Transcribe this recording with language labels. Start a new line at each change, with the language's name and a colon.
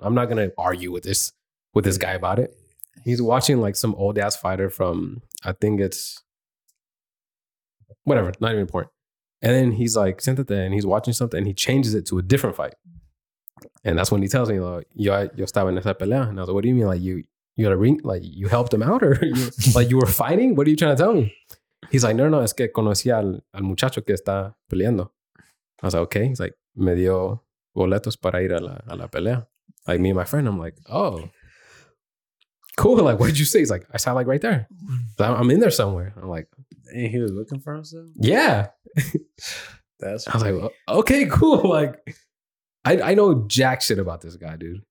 English: I'm not going to argue with this guy about it. He's watching, like, some old ass fighter from, I think it's, whatever, not even important. And then he's like, sent it there, and he's watching something, and he changes it to a different fight. And that's when he tells me, like,
Spanish: yo estaba en esa pelea.
English: And I was like, what do you mean? Like, you got a ring? Like, you helped him out? Or, like, you were fighting? What are you trying to tell me? He's like,
Spanish: no, es que conocí al muchacho que está peleando.
English: I was like, okay. He's like,
Spanish: me dio boletos para ir a la pelea.
English: Like, me and my friend, I'm like, oh, cool. Like, what did you say? He's like, I saw, like, right there. I'm in there somewhere. I'm like. And he was looking for himself? Yeah. That's funny. I was like, well, okay, cool. Like, I know jack shit about this guy, dude.